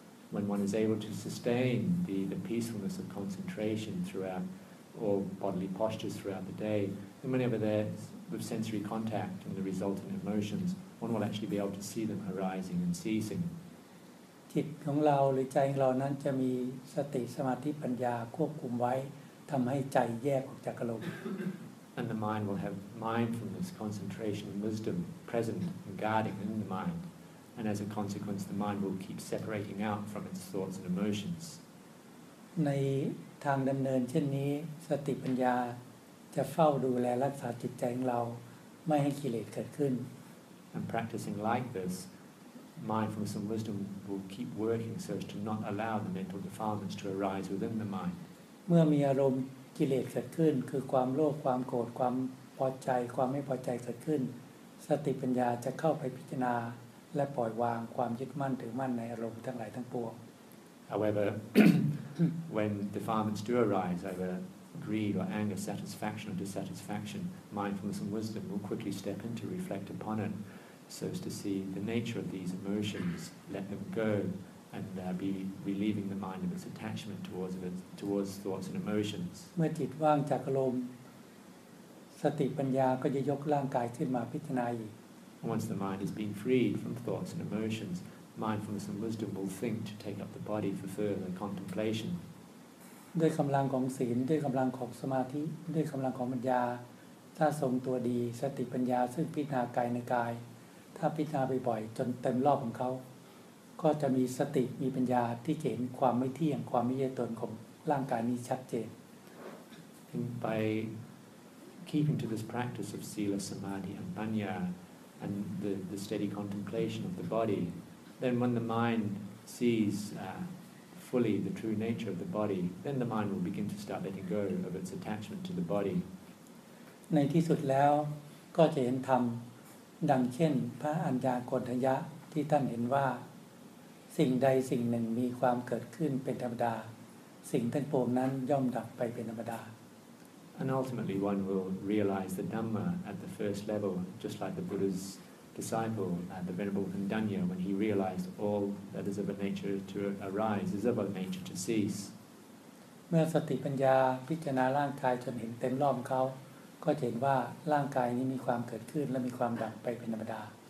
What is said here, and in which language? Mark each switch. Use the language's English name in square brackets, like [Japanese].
[English] When one is able to sustain the peacefulness of concentration throughout all bodily postures throughout the day, and whenever there's with sensory contact and the resultant emotions, one will actually be able to see them arising and ceasing. [Thai] จิตของเราหรือใจของเรานั้นจะมีสติสมาธิปัญญาควบคุมไว้ทำให้ใจแยกออกจากอารมณ์ [English] And the mind will have mindfulness, concentration, and wisdom present and guarding in the mind. And as a consequence, the mind will keep separating out from its thoughts and emotions. [Thai] ในทางดำเนินเช่นนี้สติปัญญาจะเฝ้าดูแลรักษาจิตใจของเราไม่ให้กิเลสเกิดขึ้น [English] And practicing like this, mindfulness and wisdom will keep working so as to not allow the mental defilements to arise within the mind. [Thai] เมื่อมีอารมณ์กิเลสเกิดขึ้นคือความโลภความโกรธความพอใจความไม่พอใจเกิดขึ้นสติปัญญาจะเข้าไปพิจารณาและปล่อยวางความยึดมั่นถือมั่นในอารมณ์ทั้งหลายทั้งปวง [English] However, when defilements do arise overgreed or anger, satisfaction or dissatisfaction, mindfulness and wisdom will quickly step in to reflect upon it so as to see the nature of these emotions, let them go and be relieving the mind of its attachment towards thoughts and emotions. [Thai] เมื่อจิตว่างจากอารมณ์สติปัญญาก็จะยกร่างกายขึ้นมาพิจารณาอีก [English] Once the mind has been freed from thoughts and emotions, mindfulness and wisdom will think to take up the body for further contemplation. [Thai] ด้วยกำลังของศีลด้วยกำลังของสมาธิด้วยกำลังของปัญญาถ้าทรงตัวดีสติปัญญาซึ่งพิจารณากายในกายถ้าพิจารณาบ่อยๆจนเต็มรอบของเขาก็จะมีสติมีปัญญาที่เห็นความไม่เที่ยงความไม่ใช่ตนของร่างกายนี้ชัดเจน [English] By keeping to this practice of sila samadhi and panya and the steady contemplation of the body then when the mind seesfully the true nature of the body, then the mind will begin to start letting go of its attachment to the body. [Thai] ในที่สุดแล้วก็จะเห็นธรรมดังเช่นพระอัญญาโกณฑัญญะที่ท่านเห็นว่าสิ่งใดสิ่งหนึ่งมีความเกิดขึ้นเป็นธรรมดาสิ่งทั้งปวงนั้นย่อมดับไปเป็นธรรมดา [English] And ultimately one will realize the Dhamma at the first level, just like the Buddha'sDisciple and the Venerable Vandanya, when he realized all that is of a nature to arise is of a nature to cease. [Thai] เมื่อสติปัญญาพิจารณาร่างกายจนเห็นเต็มรอบเขาก็เห็นว่าร่างกายนี้มีความเกิดขึ้นและมีความดับไปเป็นธรรมดา